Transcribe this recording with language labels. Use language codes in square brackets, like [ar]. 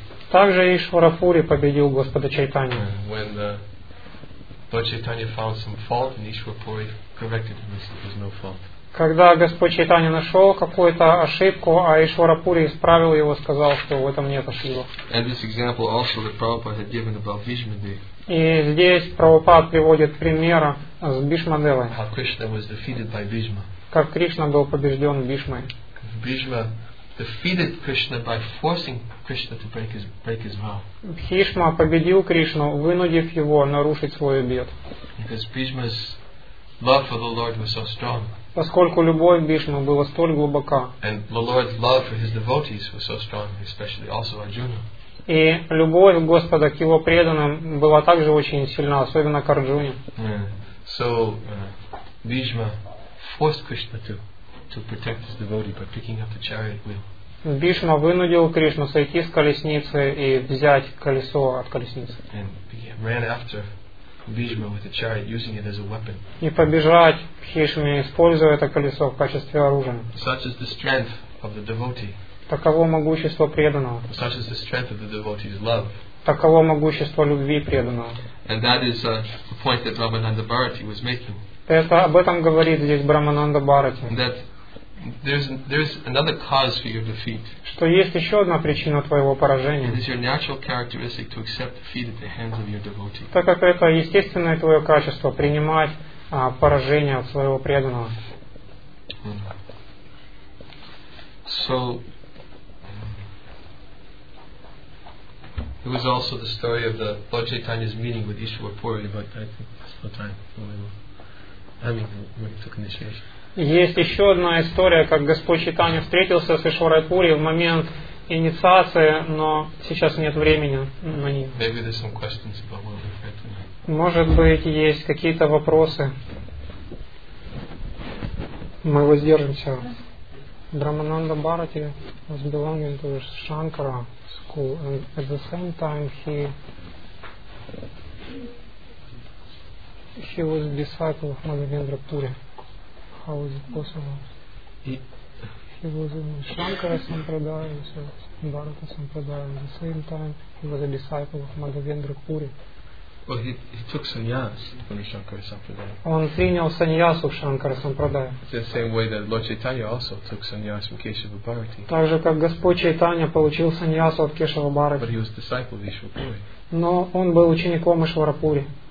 [ru] Также Ишварапури победил Господа Чайтанью. [en] Lord Chaitanya found some fault and Ishwarapuri corrected him. This was no fault. [ru] Когда Господь Чайтанья нашел какую-то ошибку, а Ишварапури исправил его, сказал, что в этом нет ошибок. [en] And this example also that Prabhupada had given about Bhishmadev. [ru] И здесь Прабхупад приводит пример с Бхишмадевой. [en] How Krishna was defeated by Bhishma. [ru] Как Кришна был побежден Бхишмой. [en] Bhishma defeated Krishna by forcing Krishna to break his vow. [ru] Бхишма победил Кришну, вынудив его нарушить свой обет. [en] Because Bhishma's love for the Lord was so strong. [ru] Поскольку любовь Бхишмы была столь глубока. [en] And the Lord's love for his devotees was so strong, especially also Arjuna. [ru] И любовь Господа к его преданным была также очень сильна, особенно к Арджуне. [en] Yeah. So Bhishma forced Krishna to protect his devotee by picking up the chariot wheel. [ru] Бхишма вынудил Кришну сойти с колесницы и взять колесо от колесницы. [en] And ran after Bhishma with the chariot, using it as a weapon. [ru] И побежать к Бхишме, используя это колесо в качестве оружия. [en] Such is the strength of the devotee. [ru] Таково могущество преданного. [en] Such is the strength of the devotee's love. [ru] Таково могущество любви преданного. [en] And that is the point that Brahmananda Bharati was making. [ru] Это об этом говорит здесь Брамананда Бхарати. [en] That there's another cause for your defeat. [ru] Что есть еще одна причина твоего поражения. [en] It is your natural characteristic to accept defeat at the hands of your devotee. [ru] Так как это естественное твое качество принимать поражение от своего преданного. [en] So it was also the story of the Lord Chaitanya's meeting with Ishwara Puri, but I think there's no time. When he took initiation. [ru] Есть еще одна история, как Господь Чайтанья встретился с Ишварой Пури в момент инициации, но сейчас нет времени на них. [en] Maybe there's some questions about what we've heard tonight. [ru] Может быть, есть какие-то вопросы. Мы воздержимся. [en] Брамананда Бхарати was belonging to Shankara school, and at the same time he was a disciple of Manavendra Puri. How is it possible? He was in Shankara Sampradaya, so Bharata Sampradaya, at the same time he was a disciple of Manavendra Puri. Well, he took sannyas from the Shankara Sampradaya. [ru] Он принял саньясу в Шанкара Сампрадая. [en] The same way that Lord Chaitanya also took sannyas from Keshava Bharati. [ru] Так же, как Господь Чайтанья получил саньясу от Кешава Бхарати. [en] But he was disciple of Ишвара Пури. [ru] Но он был учеником Ишвара Пури.